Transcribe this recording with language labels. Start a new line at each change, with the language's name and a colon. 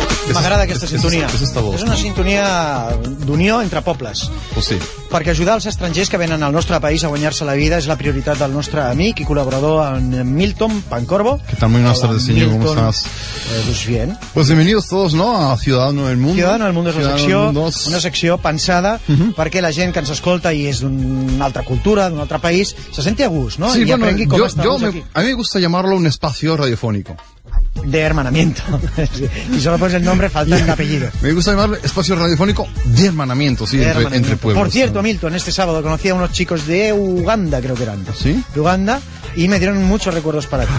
Catalan: M'agrada aquesta sintonia. És una sintonia d'unió entre pobles.
Spanish: Pues sí.
Catalan: Perquè ajudar els estrangers que venen al nostre país a guanyar-se la vida és la prioritat del nostre amic i col·laborador, en Milton Pancorbo. Que també un estrany, senyor, com estàs?
Spanish: Pues bien. Pues bienvenidos todos, ¿no?, a Ciudadano del Mundo.
Catalan: Ciudadano del Mundo és una secció pensada perquè la gent que ens escolta i és d'una altra cultura, d'un altre país, se senti a gust, ¿no? Sí, i aprengui com està aquí.
Spanish: A mi me gusta llamarlo un espacio radiofónico. De hermanamiento. Y solo pones el nombre, falta un apellido. Me gusta llamarlo espacio radiofónico de hermanamiento, sí, entre pueblos. Por cierto, Milton, este sábado conocí a unos chicos de Uganda, creo que eran. ¿Sí? De Uganda, y me dieron muchos recuerdos para ti.